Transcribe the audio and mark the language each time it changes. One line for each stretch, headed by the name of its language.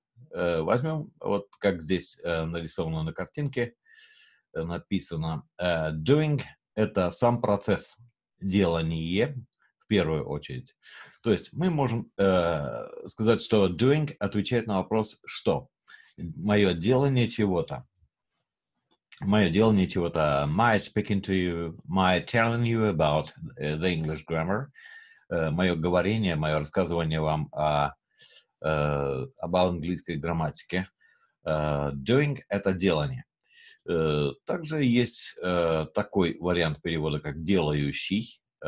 Russian: Возьмем, вот как здесь нарисовано на картинке, написано doing – это сам процесс делания в первую очередь. То есть мы можем сказать, что doing отвечает на вопрос «что?». Мое делание чего-то. Мое делание чего-то.
English: My speaking to you, my telling you about the English grammar.
Russian: Мое говорение, мое рассказывание вам об английской грамматике. Doing – это делание. Также есть такой вариант перевода, как «делающий».